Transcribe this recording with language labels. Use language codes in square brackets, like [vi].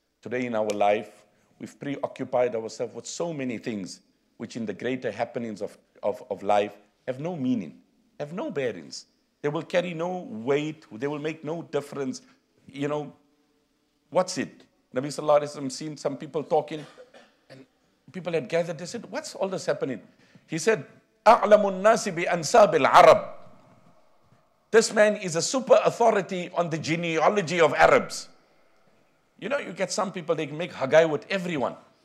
[en] Today in our life, we've preoccupied ourselves with so many things which in the greater happenings of life have no meaning, have no bearings. They will carry no weight, they will make no difference. You know, what's it? Nabi Sallallahu Alaihi Wasallam seen some people talking and people had gathered. They said, what's all this happening? He said, [ar] أَعْلَمُ النَّاسِ بِأَنْسَابِ الْعَرَبِ. [en] This man is a super authority on the genealogy of Arabs. You know, you get some people, they can make hagai with everyone.